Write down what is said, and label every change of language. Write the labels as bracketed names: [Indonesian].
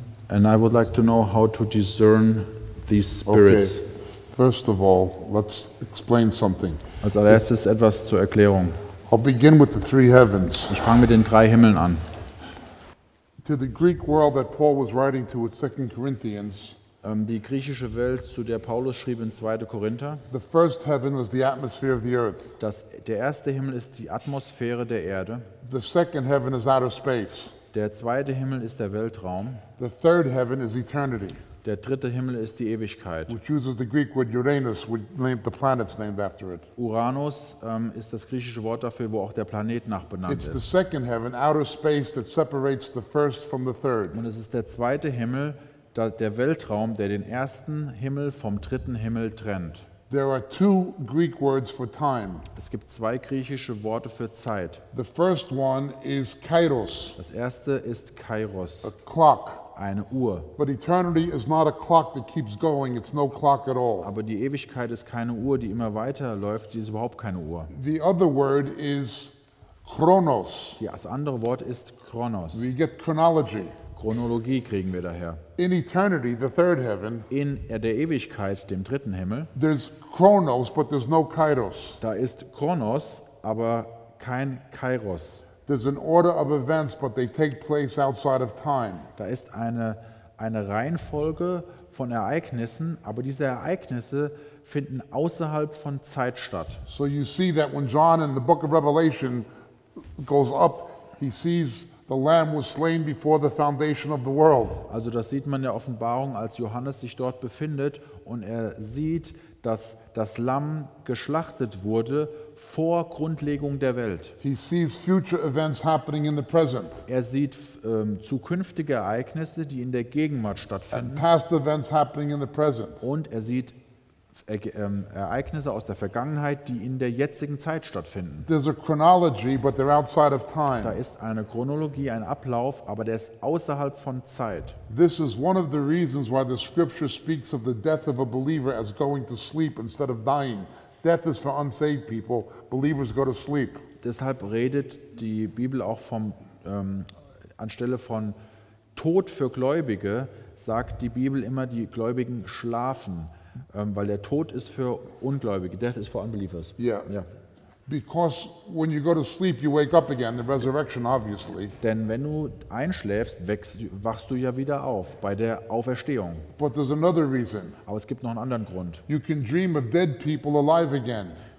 [English] And I would like to know how to discern these spirits. Okay. First of all, let's explain something. [German] Als allererstes etwas zur Erklärung. [English] I'll begin with the three heavens. [German] Ich fange mit den drei Himmeln an. [English] to the Greek world that Paul was writing to with 2 Corinthians. [German] Die griechische Welt, zu der Paulus schrieb in 2. Korinther. [English] The first heaven was the atmosphere of the earth. [German] Der erste Himmel ist die Atmosphäre der Erde. [English] The second heaven is outer space. [German] Der zweite Himmel ist der Weltraum. [English] The third heaven is eternity. [German] Der dritte Himmel ist die Ewigkeit. [English] Which uses the Greek word Uranus, which named the planets named after it. [German] Uranus ist das griechische Wort dafür, wo auch der Planet nach benannt [English] ist. It's the second heaven, outer space, that separates the first from the third. [German] Und es ist der zweite Himmel, der Weltraum, der den ersten Himmel vom dritten Himmel trennt. [English] There are two Greek words for time. [German] Es gibt zwei griechische Worte für Zeit. [English] The first one is kairos. [German] Das erste ist kairos. [English] A clock. [German] Eine Uhr. [English] But eternity is not a clock that keeps going. It's no clock at all. [German] Aber die Ewigkeit ist keine Uhr, die immer weiterläuft. Sie ist überhaupt keine Uhr. [English] The other word is chronos. [German] Das andere Wort ist chronos. [English] We get chronology. [German] Chronologie kriegen wir daher. [English] In eternity, the third heaven, [German] in der Ewigkeit, dem dritten Himmel, [English] there's chronos, but there's no kairos. [German] Da ist Chronos, aber kein Kairos. [English] There's an order of events, but they take place outside of time. [German] Da ist eine Reihenfolge von Ereignissen, aber diese Ereignisse finden außerhalb von Zeit statt. [English] So you see that when John in the book of Revelation goes up, he sees the Lamb was slain before the foundation of the world. [German] Also das sieht man in der Offenbarung, als Johannes sich dort befindet und er sieht, dass das Lamm geschlachtet wurde vor Grundlegung der Welt. [English] He sees future events happening in the present. [German] Er sieht zukünftige Ereignisse, die in der Gegenwart stattfinden. [English] And past events happening in the present. [German] Und er sieht Ereignisse aus der Vergangenheit, die in der jetzigen Zeit stattfinden. [English] There's a chronology, but they're outside of time. [German] Da ist eine Chronologie, ein Ablauf, aber der ist außerhalb von Zeit. [English] This is one of the reasons why the scripture speaks of the death of a believer as going to sleep instead of dying. Death is for unsaved people. Believers go to sleep. [German] Deshalb redet die Bibel auch vom anstelle von Tod für Gläubige, sagt die Bibel immer, die Gläubigen schlafen. Weil der Tod ist für Ungläubige. [English] Death is for unbelievers. Yeah. Yeah. Because when you go to sleep, you wake up again. The resurrection, obviously. [German] Denn wenn du einschläfst, wachst du ja wieder auf bei der Auferstehung. [English] But there's another reason. [German] Aber es gibt noch einen anderen Grund. [English] You can dream of dead people alive again.